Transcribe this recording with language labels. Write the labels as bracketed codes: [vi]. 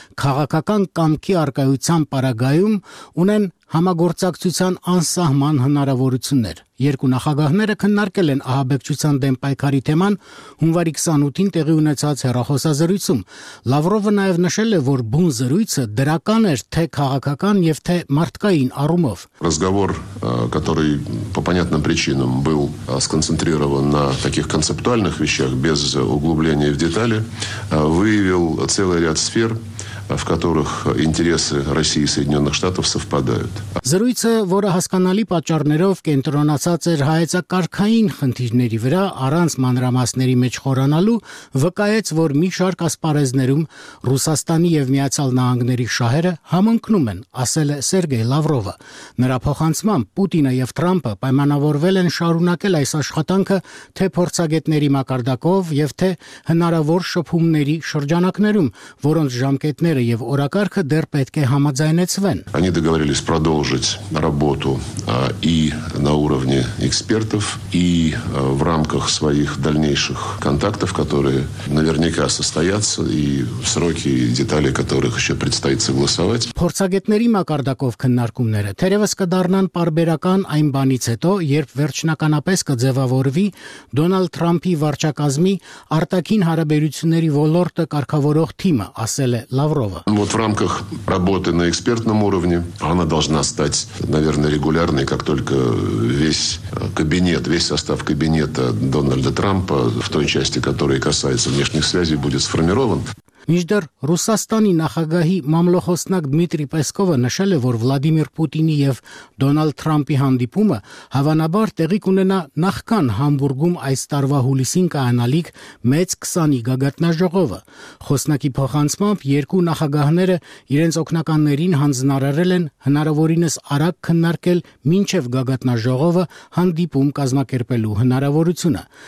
[hy] քաղաքական կամքի առկայության պարագայում ունեն համագործակցության անսահման հնարավորություններ։ Երկու նախագահները քննարկել են ահաբեկչության դեմ պայքարի թեման հունվարի 28-ին տեղի ունեցած հեռախոսազրույցում։ Լավրովը նաև նշել է, որ բուն զրույցը դրական էր թե քաղաքական և թե մարդկային առումով։ [ru] Разговор, который по понятным причинам был сконцентрирован на таких концептуальных вещах без углубления в детали, выявил целый ряд сфер, в которых интересы России и Соединенных Штатов совпадают. [hy] Զրույցը, որը հասկանալի պատճառներով կենտրոնացած էր հայեցակարգային խնդիրների վրա, առանց մանրամասների մեջ խորանալու, վկայեց, որ մի շարք ասպարեզներում Ռուսաստանի և Միացյալ Նահանգների շահերը համընկնում են, ասել է Սերգեյ Լավրովը։ Նրա փոխանցմամբ Պուտինը և Թրամփը պայմանավորվել են շարունակել այս աշխատանքը թե փորձագետների մակարդակով և թե հնարավոր շփումների շրջանակներում, որոնց ժամկետ և օրակարգը դեռ պետք է համաձայնեցվեն։ [ru] Они договорились продолжить работу и на уровне экспертов, и в рамках своих дальнейших контактов, которые наверняка состоятся, и сроки и детали которых ещё предстоит согласовать։ [hy] Փորձագետների մակարդակով քննարկումները թերևս կդառնան պարբերական այն բանից հետո, երբ վերջնականապես կձևավորվի Դոնալդ Թրամփի վարչակազմի արտաքին հարաբերությունների ոլորտը կարգավորող թիմը, ասել է Лаврова. [ru] Вот в рамках работы на экспертном уровне она должна стать, наверное, регулярной, как только весь состав кабинета Дональда Трампа в той части, которая касается внешних связей, будет сформирован. [hy] Միջդեռ Ռուսաստանի նախագահի մամլոխոսնակ Դմիտրի Պեսկովը նշել է, որ Վլադիմիր Պուտինի և Դոնալդ Թրամփի հանդիպումը հավանաբար տեղի կունենա նախքան Համբուրգում այս տարվա հուլիսին կայանալիք մեծ 20-ի գագաթնաժողովը։ Խոսնակի փոխանցմամբ երկու նախագահները իրենց օգնականներին հանձնարարել են հնարավորինս արագ քննարկել մինչև գագաթնաժողովը հանդիպում կազմակերպելու հնարավորությունը։